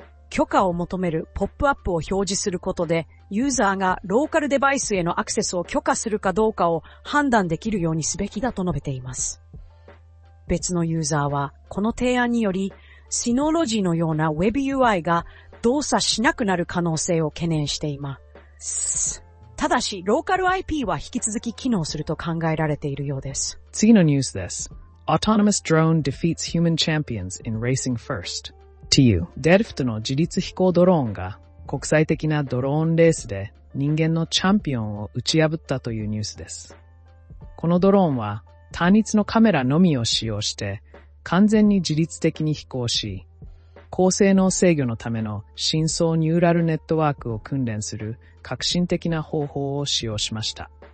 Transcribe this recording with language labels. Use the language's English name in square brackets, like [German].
[Japanese] 許可を求めるポップアップを表示することで、ユーザーがローカルデバイスへのアクセスを許可するかどうかを判断できるようにすべきだと述べています。別のユーザーは、この提案により、Synology のような Web UI が動作しなくなる可能性を懸念しています。ただし、ローカル IP は引き続き機能すると考えられているようです。次のニュースです。 [English] Autonomous drone defeats human champions in racing first。 TU。 [Japanese] Delft の自立飛行ドローンが、国際的なドローンレースで人間のチャンピオンを打ち破ったというニュースです。このドローンは単一のカメラのみを使用して完全に自律的に飛行し、高性能制御のための深層ニューラルネットワークを訓練する革新的な方法を使用しました。